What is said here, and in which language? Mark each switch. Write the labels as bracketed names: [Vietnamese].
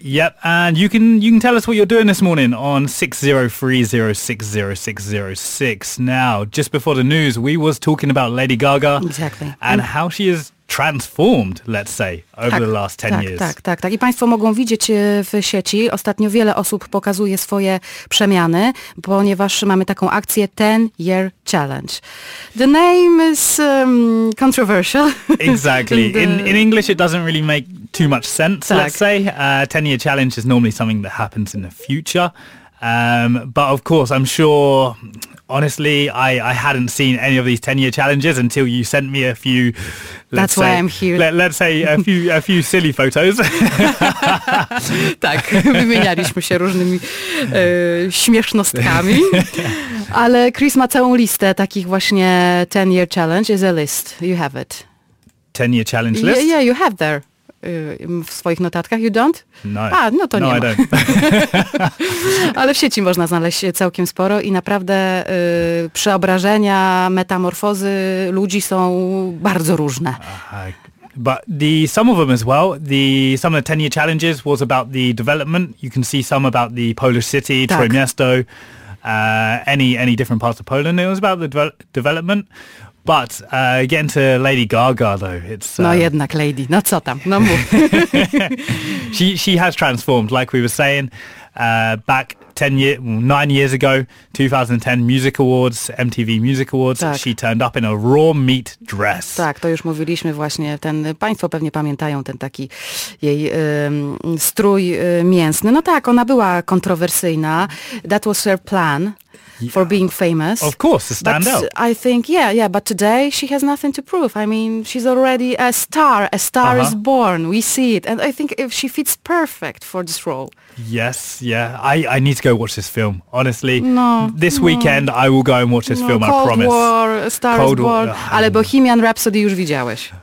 [English] Yep, and you can tell us what you're doing this morning on 603-060606. Now, just before the news, we was talking about Lady Gaga. Exactly. And how she is transformed, let's say, over the last 10 years. [Polish] Tak. I Państwo mogą widzieć w sieci, ostatnio wiele osób pokazuje swoje przemiany, ponieważ mamy taką akcję 10 Year Challenge. [English] The name is controversial. Exactly. In English it doesn't really make too much sense, let's say. 10 Year Challenge is normally something that happens in the future. But of course, I'm sure, honestly, I hadn't seen any of these 10-year challenges until you sent me a few. That's why I'm here. Let's say a few silly photos. [Polish] Tak, wymienialiśmy się różnymi śmiesznostkami. Ale Chris ma całą listę takich właśnie 10-year challenge. [English] Is a list. You have it. 10-year challenge list? Yeah, you have there. [Polish] W swoich notatkach, [English] you don't? No. [Polish] A, no to no, nie ma. [English] I don't. [Polish] Ale w sieci można znaleźć całkiem sporo i naprawdę przeobrażenia, metamorfozy ludzi są bardzo różne. [English] But some of them as well, some of the 10-year challenges was about the development. You can see some about the Polish city, Trójmiasto, any different parts of Poland. It was about the development. But getting to Lady Gaga, though, it's... [Polish] No jednak, Lady. No co tam? No mów. [English] She has transformed, like we were saying. Back 9 years ago, 2010 Music Awards, MTV Music Awards, [Polish] tak. [English] She turned up in a raw meat dress. [Polish] Tak, to już mówiliśmy właśnie. Państwo pewnie pamiętają ten taki jej strój mięsny. No tak, ona była kontrowersyjna. [English] That was her plan. for being famous. Of course, to stand but out. I think, yeah, but today she has nothing to prove. I mean, she's already a star. A star is born. We see it. And I think if she fits perfect for this role. Yes, yeah. I need to go watch this film, honestly. No. This weekend I will go and watch this film, Cold I promise. War, a star Cold is born. War. [Polish] Ale Bohemian Rhapsody już widziałeś.